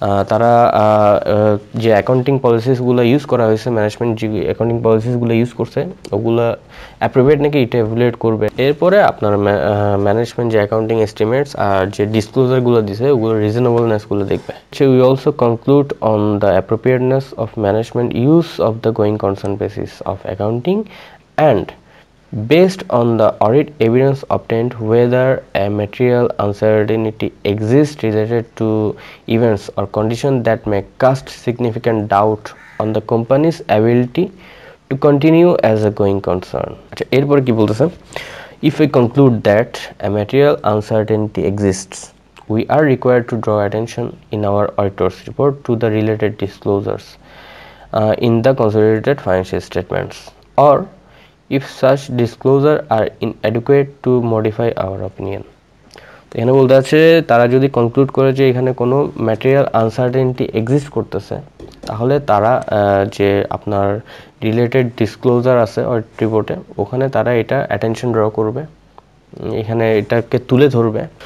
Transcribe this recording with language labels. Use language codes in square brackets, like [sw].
[bn] তারা যে accounting পলিসিসগুলো use করা হয়েছে, ম্যানেজমেন্ট যে অ্যাকাউন্টিং পলিসিসগুলো ইউজ করছে ওগুলো অ্যাপ্রোপ্রিয়েট নাকি এটা এভালুয়েট করবে। এরপরে আপনার ম্যানেজমেন্ট যে অ্যাকাউন্টিং এস্টিমেটস আর যে ডিসক্লোজারগুলো দিছে ওগুলো রিজনেবলনেসগুলো দেখবে। [en] We also conclude on the appropriateness of management use of the going concern basis of accounting and based on the audit evidence obtained whether a material uncertainty exists related to events or conditions that may cast significant doubt on the company's ability to continue as a going concern. [bn] আচ্ছা, এরপর কি বলতেছে, [en] if we conclude that a material uncertainty exists we are required to draw attention in our auditor's report to the related disclosures in the consolidated financial statements or if such disclosure are inadequate to modify our opinion. [bn] এখানে বলতে আছে তারা যদি conclude করে যে এখানে কোনো material uncertainty exist করতেছে তাহলে তারা যে আপনার রিলেটেড ডিসক্লোজার আছে অডিট রিপোর্টে ওখানে তারা এটা অ্যাটেনশন ড্র করবে, এখানে এটাকে তুলে ধরবে।